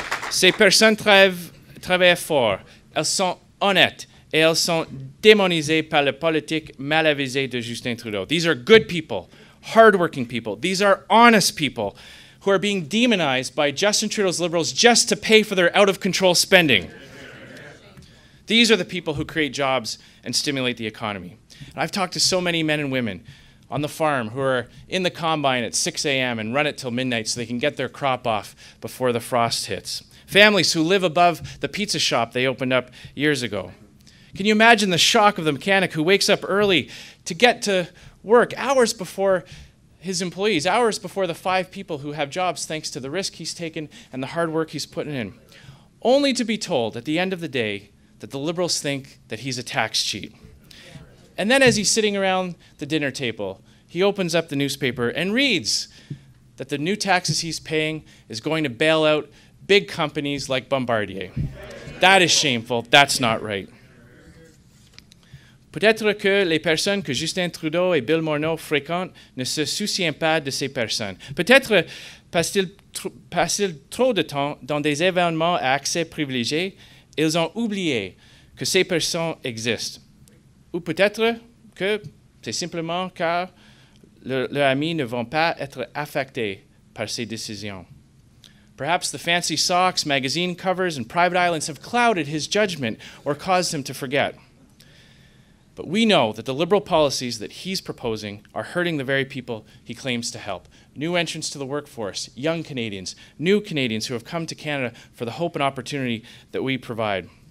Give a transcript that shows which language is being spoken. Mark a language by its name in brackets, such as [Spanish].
[French] Ces personnes travaillent fort, elles sont honnêtes, et elles sont démonisées par les politiques mal avisées de Justin Trudeau. [English] These are good people, hardworking people. These are honest people who are being demonized by Justin Trudeau's Liberals just to pay for their out-of-control spending. These are the people who create jobs and stimulate the economy. And I've talked to so many men and women on the farm who are in the combine at 6 a.m. and run it till midnight so they can get their crop off before the frost hits. Families who live above the pizza shop they opened up years ago. Can you imagine the shock of the mechanic who wakes up early to get to work hours before his employees, hours before the five people who have jobs thanks to the risk he's taken and the hard work he's putting in, only to be told at the end of the day that the Liberals think that he's a tax cheat. And then as he's sitting around the dinner table, he opens up the newspaper and reads that the new taxes he's paying is going to bail out big companies like Bombardier. That is shameful. That's not right. [French] Peut-être que les personnes que Justin Trudeau et Bill Morneau fréquentent ne se soucient pas de ces personnes. Peut-être passent-ils trop de temps dans des événements à accès privilégié. Ils ont oublié que ces personnes existent. Ou peut-être que c'est simplement car leurs amis ne vont pas être affectés par ces décisions. [English] Perhaps the fancy socks, magazine covers, and private islands have clouded his judgment or caused him to forget. But we know that the Liberal policies that he's proposing are hurting the very people he claims to help. New entrants to the workforce, young Canadians, new Canadians who have come to Canada for the hope and opportunity that we provide.